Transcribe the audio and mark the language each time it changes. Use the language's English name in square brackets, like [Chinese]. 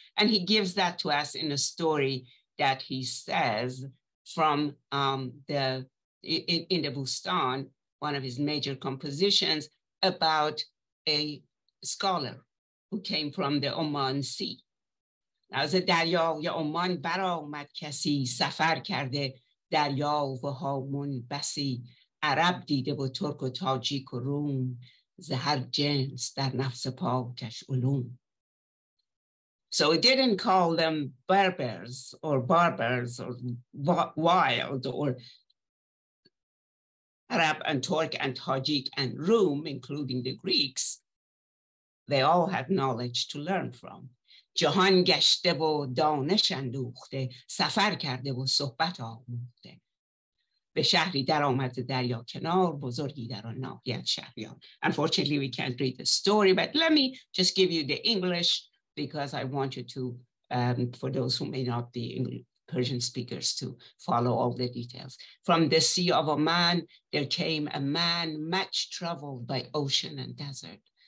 [English] And he gives that to us in a story that he says from in the Bustan, one of his major compositions, about a scholar who came from the Oman Sea. [Persian] از دریا یا عمان بر آمد کسی سفر کرده دریا و هامون بسی عرب دیده و ترک و تاجیک و روم ز هر جنس در نفس پاکش علوم. [English] So he didn't call them Berbers or barbers or wild or Arab and Turk and Tajik and Rum, including the Greeks. They all had knowledge to learn from. [Persian] جهان گشته و دانش اندوخته سفر کرده و صحبت آموخته به شهری در آمد دریا کنار بزرگی در آن ناحیت شهریان. [English] Unfortunately, we can't read the story, but let me just give you the English because I want you to, for those who may not be English, Persian speakers, to follow all the details. From the Sea of Oman, there came a man much troubled by ocean and desert.